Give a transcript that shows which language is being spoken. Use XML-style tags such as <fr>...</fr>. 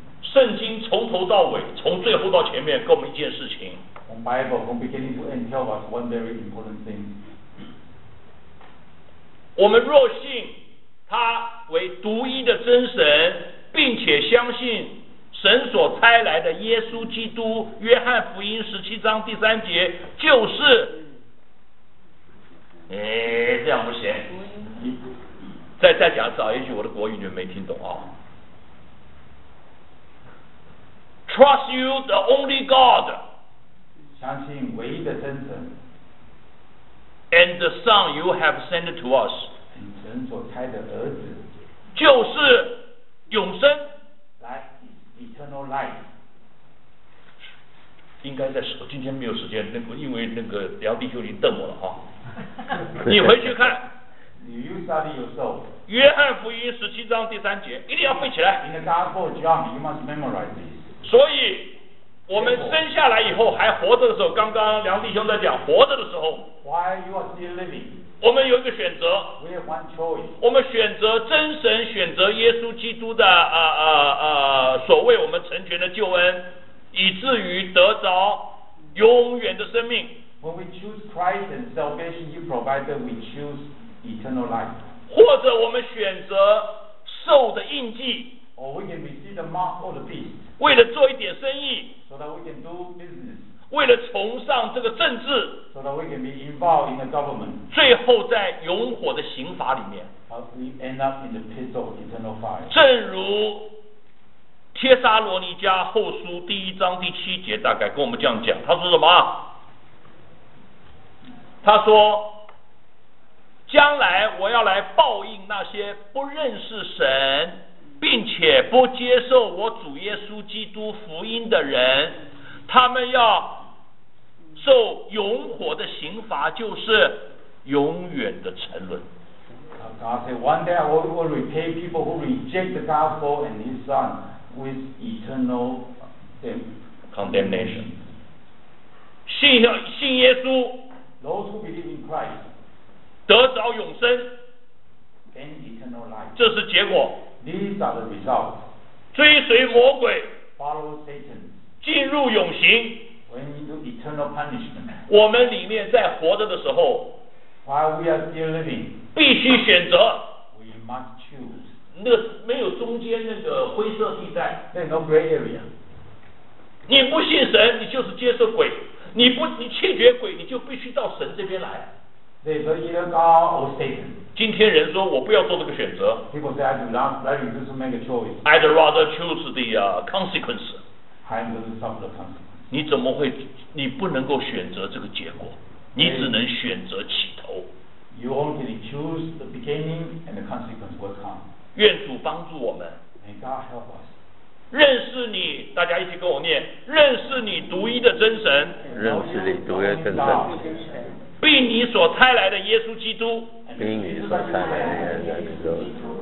<zh>圣经从头到尾，从最后到前面，给我们一件事情。</zh> <en>From Bible, from beginning to end, tell us one very important thing.</en> <zh>我们若信他为独一的真神，并且相信神所差来的耶稣基督，约翰福音十七章第三节，就是。哎，这样不行。再讲早一句，我的国语你们没听懂啊。</zh> <en>Trust you the only God.</en> <zh>相信唯一的真神。</zh> <en>And the Son you have sent to us.</en> <zh>神所差的儿子。就是永生。</zh> <en>Life eternal life.</en> <zh>应该在手，今天没有时间，那个因为那个梁弟兄已经瞪我了啊。你回去看。</zh> <en>You study yourself.</en> <zh>约翰福音十七章第三节，一定要背起来。</zh> <en>In the Gospel of John, you must memorize this.</en> <zh>所以，我们生下来以后还活着的时候，刚刚梁弟兄在讲活着的时候。</zh> <en>Why you are still living?</en> <zh>我们有一个选择，</zh> <en>We have one choice.</en> <zh>我们选择真神，选择耶稣基督的所谓我们成全的救恩，以至于得着永远的生命。</zh> <en>When we choose Christ and salvation He provided, we choose eternal life.</en> <zh>或者我们选择受的印记，</zh> <en>or we can receive the mark of the beast.</en> <zh>为了做一点生意，</zh> <en>so that we can do business.</en> <zh>为了崇尚这个政治，</zh> <en>so that we can be involved in the government.</en> <zh>最后在永火的刑罚里面，</zh> <en>we end up in the pit of eternal fire.</en> <zh>正如帖撒罗尼迦后书第一章第七节大概跟我们这样讲，他说什么？他说将来我要来报应那些不认识神并且不接受我主耶稣基督福音的人，他们要受永火的刑罚，就是永远的沉沦。</zh> <en>God said, one day I will repay people who reject the gospel and His Son with eternal</en> <zh>condemnation. 信耶稣，</zh> <en>those who believe in Christ,</en> <zh>得着永生，</zh> <en>gain eternal life.</en> <zh>这是结果。</zh> <en>These are the results.</en> <zh>追随魔鬼，</zh> <en>follow Satan.</en> <zh>进入永刑，</zh> <en>When you do eternal punishment,</en> <zh>我们里面在活着的时候，</zh> <en>While we are still living,</en> <zh>必须选择，</zh> <en>we must choose.</en> <zh>那个没有中间那个灰色地带，</zh> <en>There's no gray area.</en> <zh>你不信神你就是接受鬼， 你弃绝鬼你就必须到神这边来。</zh> <en>There's either God or Satan.</en> <zh>今天人说我不要做这个选择，</zh> <en>People say I do not like you to make a choice. I'd rather choose the consequence.</en> <zh>你怎么会？你不能够选择这个结果，你只能选择起头。</zh> <en>You only choose the beginning and the consequence will come.</en> <zh>愿主帮助我们。</zh> <en>May God help us.</en> <zh>认识你，大家一起跟我念：认识你独一的真神，认识你独一的真神，并你所差来的耶稣基督，并你所差来的耶稣基督，</zh>